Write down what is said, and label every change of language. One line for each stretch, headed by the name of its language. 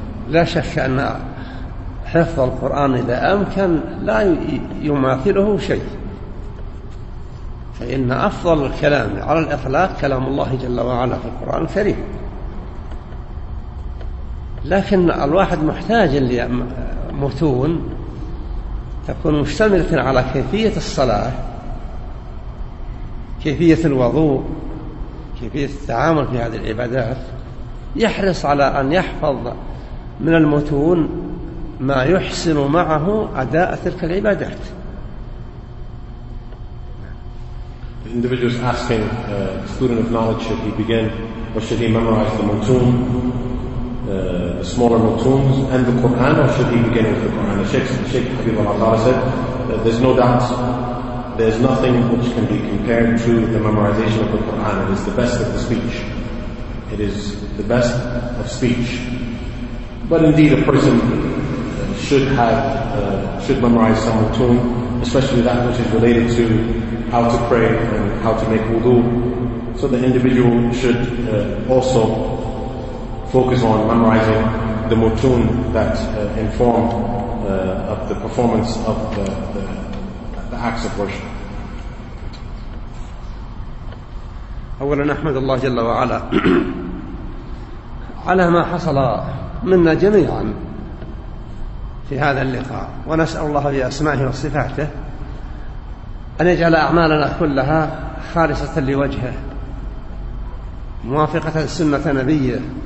Arabic: لا شك أن حفظ القرآن إذا أمكن لا يماثله شيء، فإن أفضل الكلام على الإطلاق كلام الله جل وعلا في القرآن الكريم، لكن الواحد محتاج لمتون تكون مشتملة على كيفية الصلاة، كيفية الوضوء، كيفية التعامل في هذه العبادات. يحرص على أن يحفظ من المتون ما يحسن معه أداء تلك العبادات.
English: The individual is asking, the student of knowledge, should he begin or should he memorize the mutun, the smaller mutuns, and the Quran, or should he begin with the Quran? The Sheikh Habibullah Ta'ala said, there's no doubt, there's nothing which can be compared to the memorization of the Quran. It is the best of the speech. It is the best of speech. But indeed, a person should memorize some mutun, especially that which is related to how to pray and how to make wudu. So the individual should also focus on memorizing the mutun that inform of the performance of the acts of worship.
Arabic: أولا نحمد الله جل وعلا على ما حصل منا جميعا في هذا اللقاء، ونسأل الله بأسمائه وصفاته أن يجعل أعمالنا كلها خالصة لوجهه، موافقة لسنة نبيه،